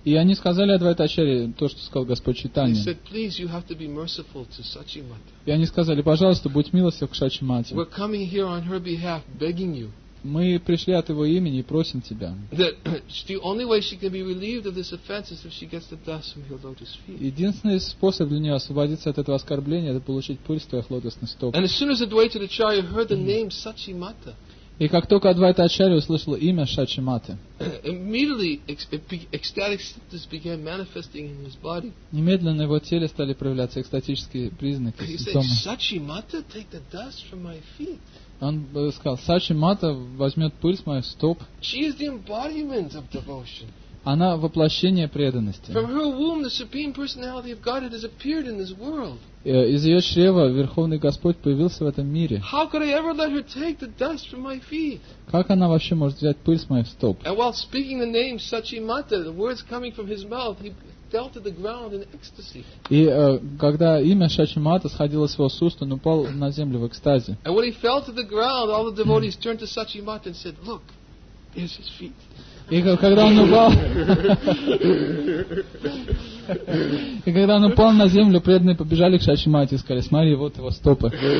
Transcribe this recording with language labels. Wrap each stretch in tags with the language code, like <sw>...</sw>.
<ru>И они сказали Адвайта Ачарье то, что сказал Господь Читания.</ru> <en>He said, please, you have to be merciful to Сачи Мата.</en> <ru>И они сказали, пожалуйста, будь милостив к Сачи Мате.</ru> <en>We're coming here on her behalf, begging you.</en> <ru>Мы пришли от его имени и просим тебя.</ru> <en>The only way she can be relieved of this offense is if she gets the dust from your lotus feet.</en> <ru>Единственный способ для нее освободиться от этого оскорбления это получить пыль с твоих лотосных стоп.</ru> <en>And as soon as Advaita Acharya heard the name Сачи Мата.</en> <ru>И как только Адвайта Ачарья услышала имя Сачи Маты.</ru> <en>Immediately ecstatic symptoms began manifesting in his body.</en> <ru>Немедленно в его теле стали проявляться экстатические признаки.</ru> <en>Сачи Мата, take the dust from my feet.</en> <ru>Он сказал, Сачи Мата возьмет пыль с моих стоп.</ru> <en>She is the embodiment of devotion.</en> <ru>Она воплощение преданности.</ru> <en>From her womb, the Supreme Personality of God has appeared in this world.</en> <ru>Из ее чрева Верховный Господь появился в этом мире.</ru> <en>How could I ever let her take the dust from my feet?</en> <ru>Как она вообще может взять пыль с моих стоп?</ru> <en>And while speaking the name Сачи Мата, the words coming from his mouth, he fell to the ground in ecstasy.</en> <ru>И когда имя Сачи Мата сходило с его уст, он упал на землю в экстазе.</ru> <en>And when he fell to the ground, all the devotees turned to Сачи Мата and said, "Look, there's his feet."</en> <ru>И когда он упал, и когда он упал на землю, преданные побежали к Сачи Мате и сказали: "Смотри, вот его стопы.</ru>